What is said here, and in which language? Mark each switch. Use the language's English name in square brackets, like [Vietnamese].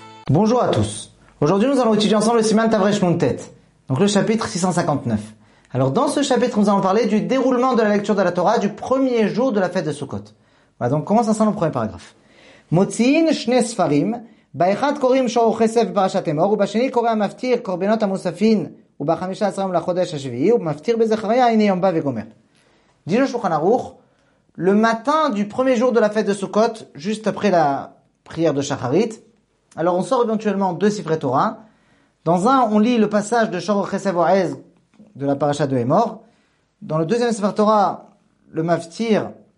[French] Bonjour à tous. Aujourd'hui, nous allons étudier ensemble le Siman Tavresh Nuntet, donc le chapitre 659. Alors, dans ce chapitre, nous allons parler du déroulement de la lecture de la Torah du premier jour de la fête de Sukkot. Voilà, donc commence ensemble le premier paragraphe. [Hebrew] Motziin shne sfarim. באחד קוראים שור חסף בפרשת אמור, ובשני קורא המפטיר קורבנות המוספין, ובחמישה עשרה יום לחודש השביעי, ומפטיר בזכריה, הנה יום בא וגומר. דינו שולחן ערוך, [French] le matin du premier jour de la fête de Sukkot, juste après la prière de Shacharit, alors on sort éventuellement deux ספרי תורה, dans un on lit le passage de שור חסף ועז, de la parasha de אמור, dans le deuxième ספר תורה, le מפטיר